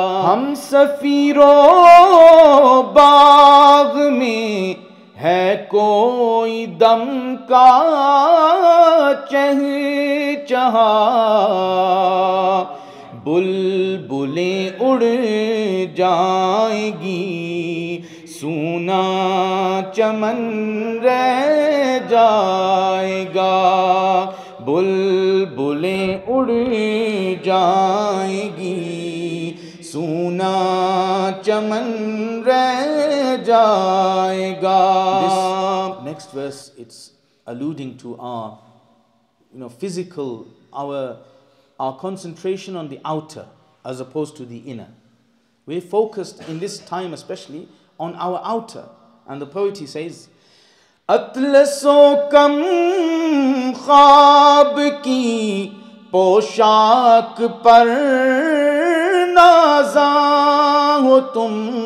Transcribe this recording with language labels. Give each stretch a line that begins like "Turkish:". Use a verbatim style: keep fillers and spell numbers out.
Urdu: ہم سفیرو باغ میں ہے کوئی دم کا چہچہا، بلبلیں اڑ جائیں گی، سونا چمن رہ جائے گا، بلبلیں اڑ جائیں گی، سونا چمن رہ جائے گا.
English: This next verse, it's alluding to our, you know, physical, our, our concentration on the outer as opposed to the inner. We're focused in this time especially on our outer. And the poetry says,
Urdu: Atlas'o kam khwab ki poshak par naza ho tum,